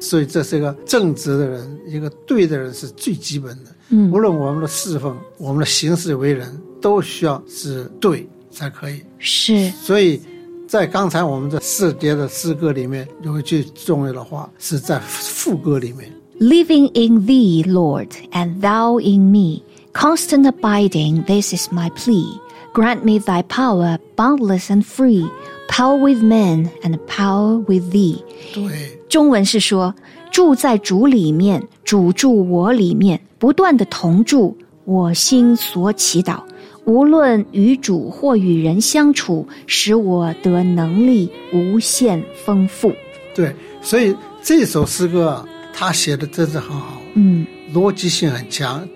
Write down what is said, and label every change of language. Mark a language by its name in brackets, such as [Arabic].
[Chinese] 所以这是一个正直的人，一个对的人是最基本的。无论我们的侍奉，我们的行事为人，都需要是对才可以。是。所以在刚才我们这四节的诗歌里面，有一句重要的话是在副歌里面。 [English] Living in thee, Lord, and thou in me, constant abiding, this is my plea. Grant me thy power, boundless and free,Power with man and power with thee. [Chinese] 对，中文是说，住在主里面，主住我里面，不断的同住，我心所祈祷，无论与主或与人相处，使我得能力无限丰富。对，所以这首诗歌他写的真是很好，逻辑性很强。